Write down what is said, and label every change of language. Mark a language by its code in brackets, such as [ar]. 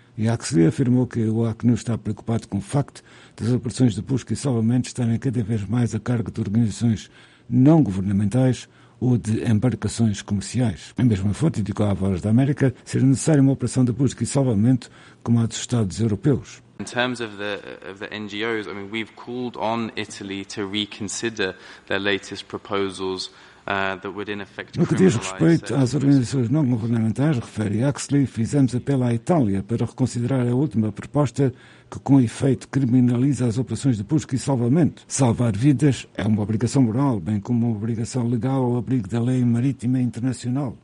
[pt] E a Axel afirmou que o Acnur está preocupado com o facto das operações de busca e salvamento estarem cada vez mais a cargo de organizações não-governamentais ou de embarcações comerciais. A mesma fonte indicou à Voz da América ser necessária uma operação de busca e salvamento como a dos Estados Europeus. [en] In terms of the NGOs, I mean, we've called on Italy to reconsider their latest proposals that would in effect criminalize. [pt] No que diz respeito às organizações não governamentais, refere Huxley, fizemos apelo à Itália para reconsiderar a última proposta que, com efeito, criminaliza as operações de busca e salvamento. Salvar vidas é uma obrigação moral, bem como uma obrigação legal ao abrigo da lei marítima internacional.